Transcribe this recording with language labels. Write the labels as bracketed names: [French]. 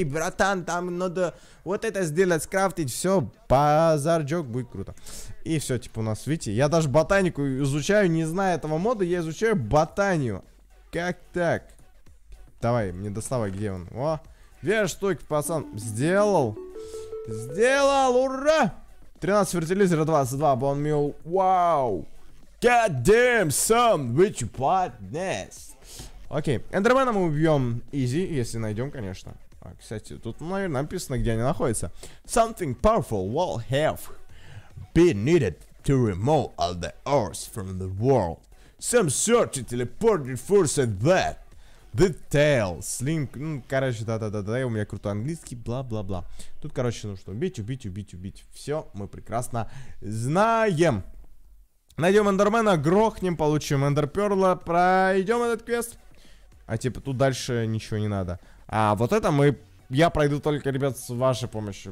[Russian] Эй, братан, там надо вот это сделать, скрафтить. Все, базарчок, будет круто. И все, типа у нас, видите, я даже ботанику изучаю. Не зная этого мода, я изучаю ботанию. Как так? Давай, мне доставай, где он? О, две штуки, пацан, сделал. Сделал, ура! 13 фертилизера, 22 bone meal. Вау! [English] God damn, son, which part next? [Russian] Окей, эндермена мы убьем easy, если найдем, конечно. А, кстати, тут, наверное, написано, где они находятся. [English] Something powerful will have been needed to remove all the earth from the world. Some sort of teleported force at that. The tail, slim, [Russian] короче, да-да-да-да, у меня крутой английский, бла-бла-бла. Тут, короче, нужно убить. Все, мы прекрасно знаем. Найдем эндермена, грохнем, получим эндерперла, пройдем этот квест. А типа тут дальше ничего не надо. А вот это мы, я пройду только, ребят, с вашей помощью.